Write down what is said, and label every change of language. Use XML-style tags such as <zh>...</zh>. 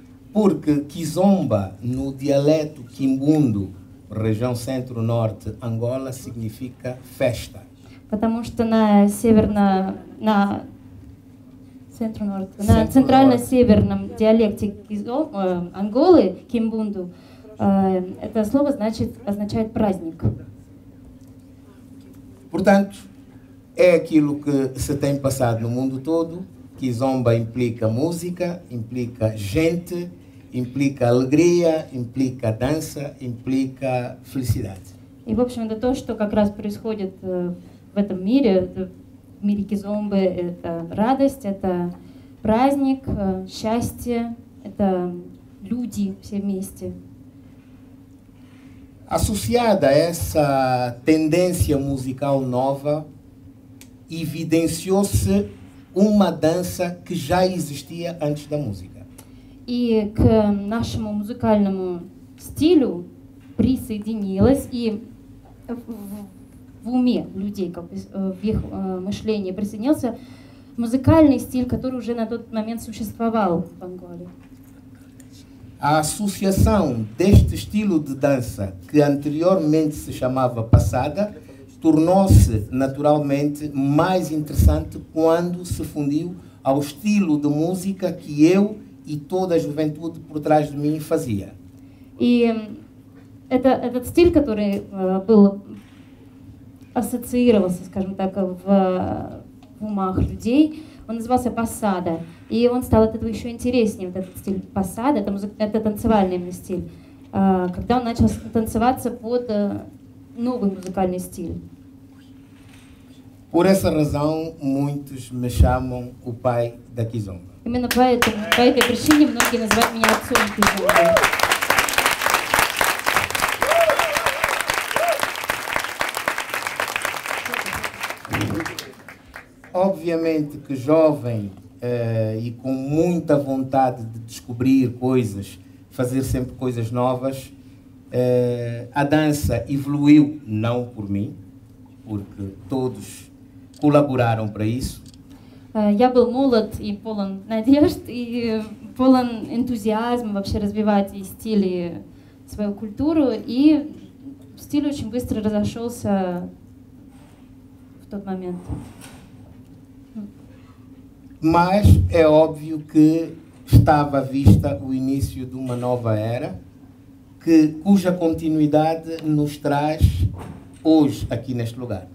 <pt>Porque kizomba no dialeto quimbundo, região centro-norte Angola, significa festa.</pt> <ru>Потому что на северно на центро-норт на центрально-северном диалекте Анголы кимбунду это слово значит означает праздник.</ru> <pt>Portanto, é aquilo que se tem passado no mundo todo. Kizomba implica música, implica gente, implica alegria, implica dança, implica felicidade.</pt> <ru>E, в общем, это то, что как раз происходит в этом мире, в мире кизомбы, это радость, это праздник, счастье, это люди все вместе.</ru> <pt>Associada a essa tendência musical nova, evidenciou-se uma dança que já existia antes da música.</pt> <ru>E к нашему музыкальному стилю присоединилась и в уме людей, как в их мышлении присоединился музыкальный стиль, который уже на тот момент существовал в Анголе.</ru> <pt>A associação deste estilo de dança, que anteriormente se chamava passada, tornou-se naturalmente mais interessante quando se fundiu ao estilo de música que eu e toda a juventude por trás de mim fazia.</pt> <ru>E этот стиль, который был ассоциировался, скажем так, в умах людей, он назывался пасада. И он стал от этого еще интереснее, вот этот стиль пасада, это, музыка, это танцевальный стиль, когда он начал танцеваться под новый музыкальный стиль.</ru> <pt>Por essa razão, muitos me chamam o pai da kizomba.</pt> <ru>Именно поэтому, по этой причине многие называют меня отцом кизомбы.</ru> <pt>Obviamente que jovem e com muita vontade de descobrir coisas, fazer sempre coisas novas, a dança evoluiu, não por mim, porque todos colaboraram para isso.</pt> <ru>Я был молод и полон надежд и полон энтузиазма вообще развивать и стиль, и свою культуру, и стиль очень быстро разошелся в тот момент.</ru> <pt>Mas é óbvio que estava à vista o início de uma nova era que, cuja continuidade nos traz hoje aqui neste lugar.</pt>